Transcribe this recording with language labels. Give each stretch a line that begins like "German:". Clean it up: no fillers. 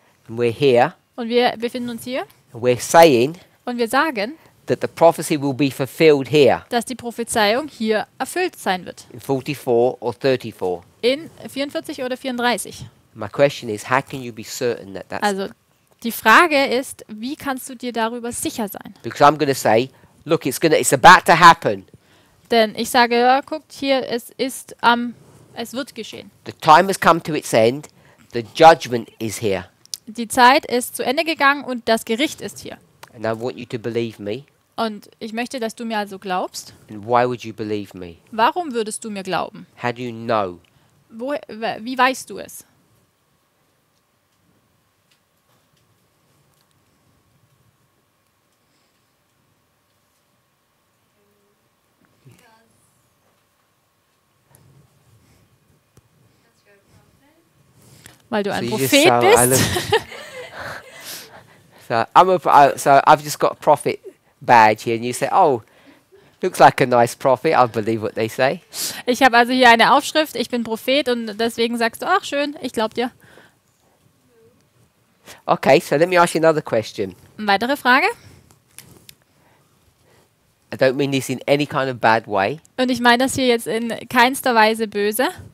English: And we're here.
German: Und wir befinden uns hier.
English: And we're saying.
German: Und wir sagen.
English: That the prophecy will be fulfilled here.
German: Dass die Prophezeiung hier erfüllt sein wird.
English: In 44 or 34.
German: In 44 oder 34.
English: My question is, how can you be certain that that's
German: also, die Frage ist, wie kannst du dir darüber sicher sein?
English: Because I'm going to say, look, it's about to happen.
German: Denn ich sage, ja, guckt hier, es ist es wird geschehen.
English: The time has come to its end. The judgment is here.
German: Die Zeit ist zu Ende gegangen und das Gericht ist hier.
English: And I want you to believe me.
German: Und ich möchte, dass du mir also glaubst.
English: And why would you believe me?
German: Warum würdest du mir glauben?
English: How do you know?
German: Wie weißt du es? Weil du ein Prophet bist.
English: So I've just got a prophet badge here and you say, oh, looks like a nice prophet, I'll believe what they say.
German: Ich habe also hier eine Aufschrift, ich bin Prophet und deswegen sagst du, ach schön, ich glaube dir.
English: Okay, so let me ask you another question.
German: Eine weitere Frage.
English: I don't mean this in any kind of bad way.
German: Und ich meine das hier jetzt in keinster Weise böse.